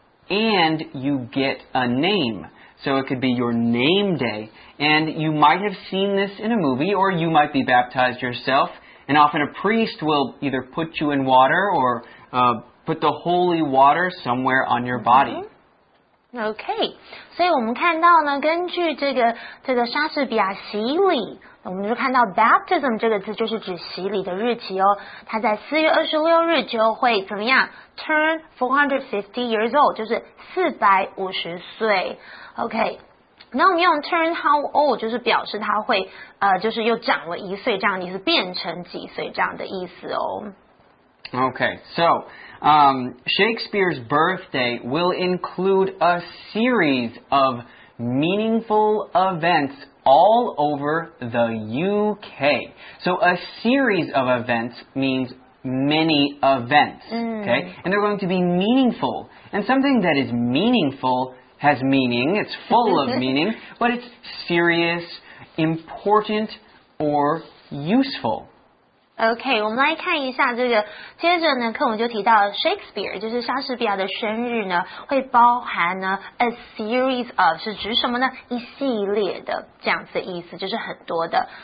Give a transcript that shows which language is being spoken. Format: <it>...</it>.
<en>And you get a name. So it could be your name day. And you might have seen this in a movie, or you might be baptized yourself. And often a priest will either put you in water or put the holy water somewhere on your body. Okay.</en> <zh>所以我们看到呢，根据这个莎士比亚洗礼，我们就看到 baptism 这个字就是指洗礼的日期哦。他在4月26日就会怎么样？</zh> <en>Turn 450 years old,</en> <zh>就是450岁。 OK, 那我们用</zh> <en>turn how old,</en> <zh>就是表示他会就是又长了一岁这样，你是变成几岁这样的意思哦。</zh> <en>OK, so, Shakespeare's birthday will include a series of meaningful events all over the UK. So a series of events means many events, okay? And they're going to be meaningful. And something that is meaningful has meaning. It's full of meaning, but it's serious, important, or useful.</en> <zh>OK, 我们来看一下这个。接着呢，课文就提到 Shakespeare, 就是莎士比亚的生日呢，会包含呢</zh> <en>a series of,</en> <zh>是指什么呢？一系列的这样子的意思，就是很多的。</zh>